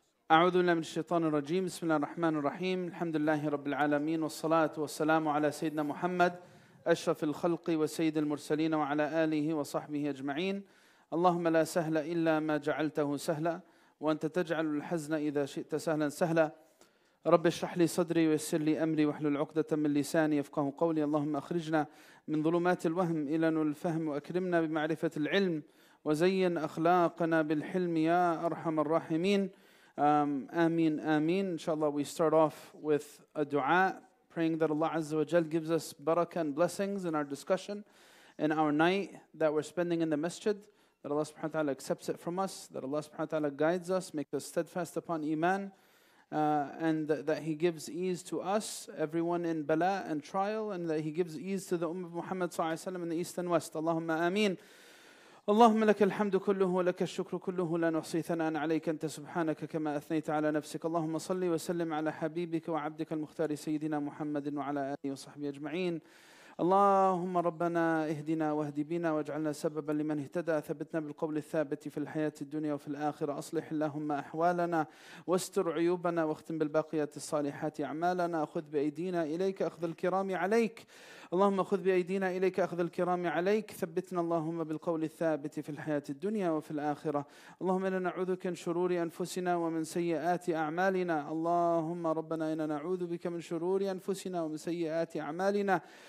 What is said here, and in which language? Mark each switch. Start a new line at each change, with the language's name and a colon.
Arabic: أعوذ بالله من الشيطان الرجيم بسم الله الرحمن الرحيم الحمد لله رب العالمين والصلاة والسلام على سيدنا محمد أشرف الخلق وسيد المرسلين وعلى آله وصحبه أجمعين اللهم لا سهل إلا ما جعلته سهلا وأنت تجعل الحزن إذا شئت سهلا سهلا رب اشرح لي صدري ويسر لي أمري واحلل عقدة من لساني يفقه قولي اللهم أخرجنا من ظلمات الوهم إلى نور الفهم وأكرمنا بمعرفة العلم وزين أخلاقنا بالحلم يا أرحم الراحمين Ameen, Ameen.
English: Inshallah, we start off with a dua, praying that Allah Azza wa Jal gives us barakah and blessings in our discussion, in our night that we're spending in the masjid, that Allah subhanahu wa ta'ala accepts it from us, that Allah subhanahu wa ta'ala guides us, makes us steadfast upon iman, and that He gives ease to us, everyone in bala and trial, and that He gives ease to the Ummah of Muhammad sallallahu alayhi wa sallam in the east and west.
Arabic: Allahumma Ameen. اللهم لك الحمد كله ولك الشكر كله لا نحصي ثناء عليك أنت سبحانك كما أثنيت على نفسك اللهم صل وسلم على حبيبك وعبدك المختار سيدنا محمد وعلى آله وصحبه أجمعين اللهم ربنا اهدنا واهد بنا واجعلنا سببا لمن اهتدى ثبتنا بالقول الثابت في الحياة الدنيا وفي الآخرة أصلح اللهم أحوالنا واستر عيوبنا واختم بالباقيات الصالحات أعمالنا خذ بأيدينا إليك أخذ الكرام عليك اللهم خذ بأيدينا إليك أخذ الكرام عليك ثبتنا اللهم بالقول الثابت في الحياة الدنيا وفي الآخرة اللهم إنا نعوذك من شرور أنفسنا ومن سيئات أعمالنا اللهم ربنا إنا نعوذ بك من شرور أنفسنا ومن سيئات أعمالنا